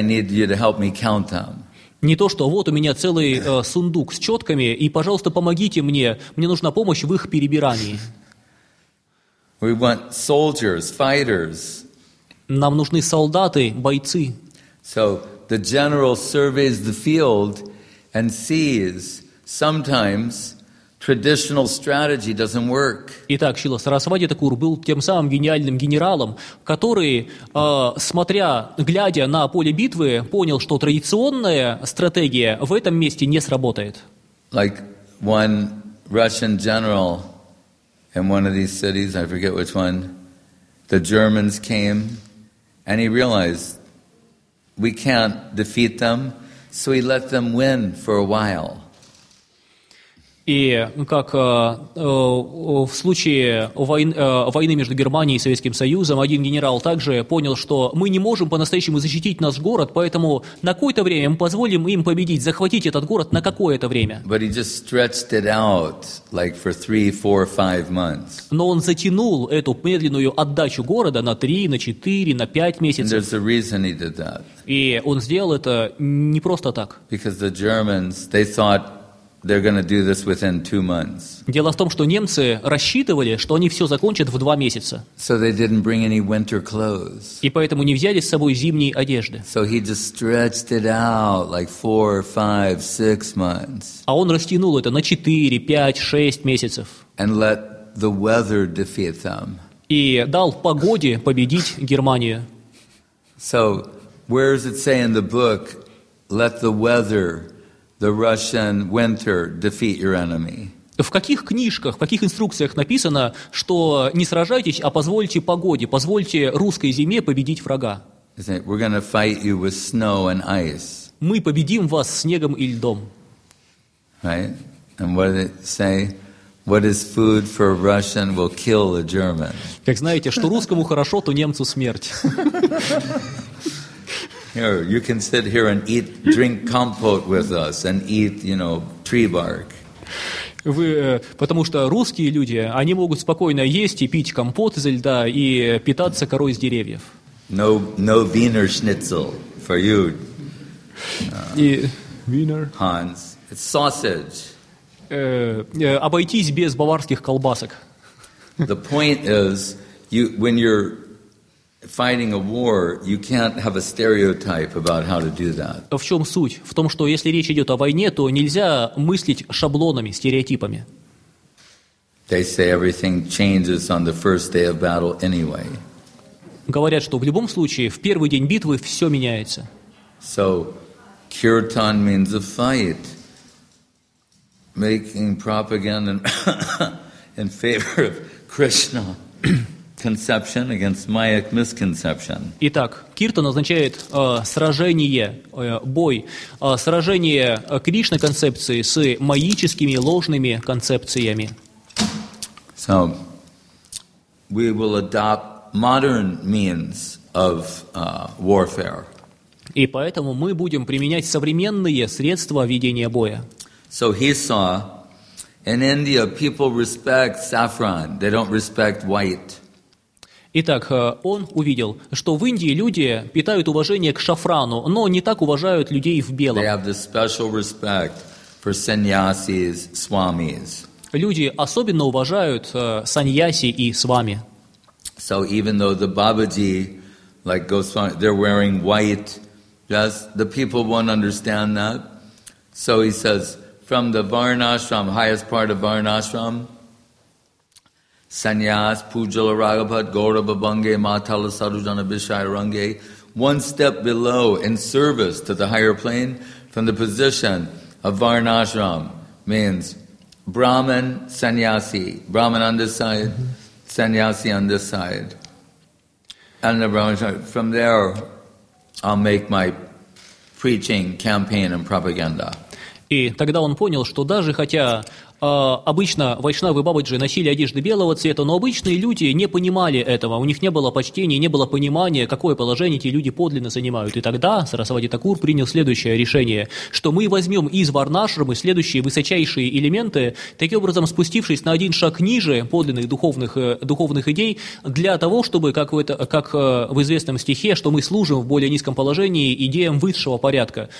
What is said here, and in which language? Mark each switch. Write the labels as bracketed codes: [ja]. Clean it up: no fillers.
[ru] Не то, что вот у меня целый сундук с четками, и, пожалуйста, помогите мне, мне нужна помощь в их перебирании. [en] We want soldiers, fighters. [ru] Нам нужны солдаты, бойцы. [en] So the general surveys the field and sees sometimes traditional strategy doesn't work. [ru] Итак, Шрила Сарасвати Такур был тем самым гениальным генералом, который, смотря, глядя на поле битвы, понял, что традиционная стратегия в этом месте не сработает. [en] Like one Russian general in one of these cities, I forget which one, the Germans came and he realized we can't defeat them. So he let them win for a while. [ru] И как в случае войны между Германией и Советским Союзом, один генерал также понял, что мы не можем по-настоящему защитить наш город, поэтому на какое-то время мы позволим им победить, захватить этот город на какое-то время. [en] But he just stretched it out like for 3, 4, 5 months. [ru] Но он затянул эту медленную отдачу города на 3, на 4, на 5 месяцев. [en] And there's a reason he did that. [ru] И он сделал это не просто так. [en] Because the Germans, they thought they're going to do this within 2 months. [ru] Дело в том, что немцы рассчитывали, что они все закончат в 2 месяца. [en] So they didn't bring any winter clothes. [ru] И поэтому не взяли с собой зимней одежды. [en] So he just stretched it out like 4, 5, 6 months. [ru] А он растянул это на 4, 5, 6 месяцев. [en] And let the weather defeat them. [ru] И дал погоде победить Германию. [en] So where does it say in the book, let the weather, the Russian winter, defeat your enemy? [ru] В каких книжках, в каких инструкциях написано, что не сражайтесь, а позвольте погоде, позвольте русской зиме победить врага? [en] We're going to fight you with snow and ice. [ru] Мы победим вас снегом и льдом. [en] Right? And what did it say? What is food for a Russian will kill a German. [ru] Как знаете, что русскому хорошо, то немцу смерть. [en] Here, you can sit here and eat, drink compote with us, and eat, you know, tree bark. [ru] Вы, потому что русские люди, они могут спокойно есть и пить компот из льда и питаться корой из деревьев. [en] No Wiener Schnitzel for you. [ru] И Wiener. [en] Hans, it's sausage. [ru] Обойтись без баварских колбасок. [en] The point is, when you're fighting a war, you can't have a stereotype about how to do that. [ru] В чем суть? В том, что если речь идет о войне, то нельзя мыслить шаблонами, стереотипами. [en] They say everything changes on the first day of battle anyway. [ru] Говорят, что в любом случае в первый день битвы все меняется. [en] So, kirtan means a fight, making propaganda in favor of Krishna. Conception against Mayic misconception. [ru] Итак, киртан означает сражение, бой, сражение Кришна концепции с майическими ложными концепциями. [en] So we will adopt modern means of warfare. [ru] И поэтому мы будем применять современные средства ведения боя. [en] So he saw in India people respect saffron, they don't respect white. [ru] Итак, он увидел, что в Индии люди питают уважение к шафрану, но не так уважают людей в белом. [en] They have the special respect for sannyasis, swamis. [ru] Люди особенно уважают саньяси и свами. [en] So even though the Babaji, like Goswami, they're wearing white, yes, the people won't understand that. So he says, from the Varnashram, highest part of Varnashram, Sanyas, Pujala, Raghapat, Gaurava, Bhange, Matala, Sarujana, Bishai, Rangay, one step below in service to the higher plane, from the position of Varnashram means Brahmin, Sannyasi. Brahmin on this side, Sannyasi on this side. And the Brahmin, from there, I'll make my preaching campaign and propaganda. [ru] И тогда он понял, что даже хотя обычно вайшнавы бабаджи носили одежды белого цвета, но обычные люди не понимали этого, у них не было почтения, не было понимания, какое положение эти люди подлинно занимают. И тогда Сарасвати Такур принял следующее решение, что мы возьмем из варнашрамы следующие высочайшие элементы, таким образом спустившись на один шаг ниже подлинных духовных идей, для того, чтобы, как в известном стихе, что мы служим в более низком положении идеям высшего порядка.